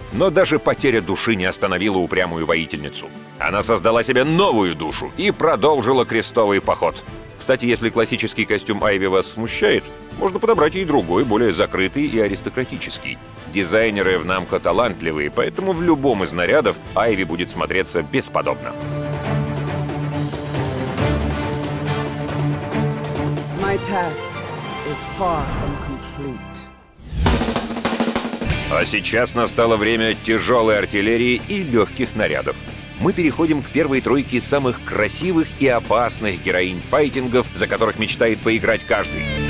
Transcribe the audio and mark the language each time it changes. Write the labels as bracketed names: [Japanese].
[Russian] Но даже потеря души не остановила упрямую воительницу. Она создала себе новую душу и продолжила крестовый поход. Кстати, если классический костюм Айви вас смущает, можно подобрать ей другой, более закрытый и аристократический. Дизайнеры в Намко талантливые, поэтому в любом из нарядов Айви будет смотреться бесподобно. [English] My task is far from complete. [Russian] А сейчас настало время тяжелой артиллерии и легких нарядов. Мы переходим к первой тройке самых красивых и опасных героинь файтингов, за которых мечтает поиграть каждый.